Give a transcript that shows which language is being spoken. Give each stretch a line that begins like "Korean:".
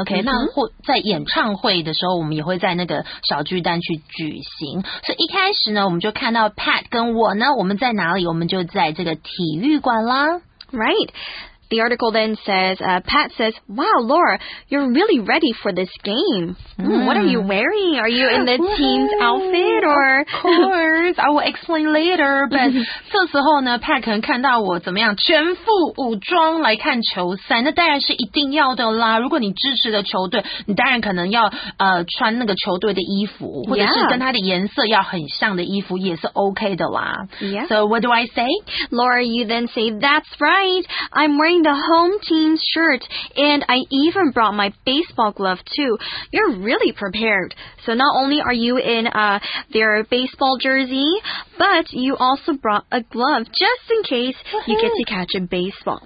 Chinese: OK， 那或在演唱会的时候，我们也会在那个小巨蛋去举行。所以一开始呢，我们就看到 Pat 跟我呢，我们在哪里？我们就在这个体育馆啦。
English: Right. The article then says, Pat says, wow, Laura, you're really ready for this game. What are you wearing? Are you in the team's outfit? Or?
Chinese: Of course. I will explain later. But 这时候呢 Pat 可能看到我怎么样全副武装来看球赛。那当然是一定要的啦。如果你支持的球队你当然可能要穿那个球队的衣服或者是跟它的颜色要很像的衣服也是 OK 的啦。
English: Yeah. So what do I say? Laura, you then say, that's right. I'm wearing the home team's shirt, and I even brought my baseball glove too. You're really prepared. So not only are you in their baseball jersey, but you also brought a glove just in case you get to catch a baseball.